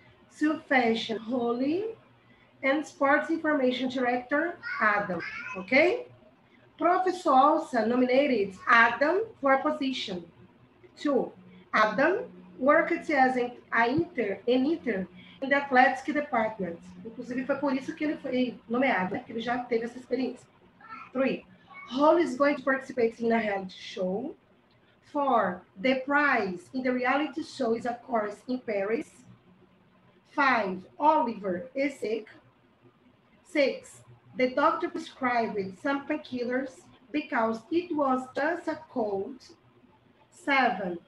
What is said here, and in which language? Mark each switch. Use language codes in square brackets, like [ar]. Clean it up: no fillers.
[en] Soup Fashion, Holly. And Sports Information Director, Adam. Ok? Professor Olsa nominated Adam for a position. 2. Adam worked as an intern in the athletics department. [pt] Inclusive, foi por isso que ele foi nomeado, né? Que ele já teve essa experiência. [en] 3. Holly is going to participate in a reality show. 4. The prize in the reality show is a course in Paris. 5. Oliver is sick. 6. The doctor prescribed some painkillers because it was just a cold. 7.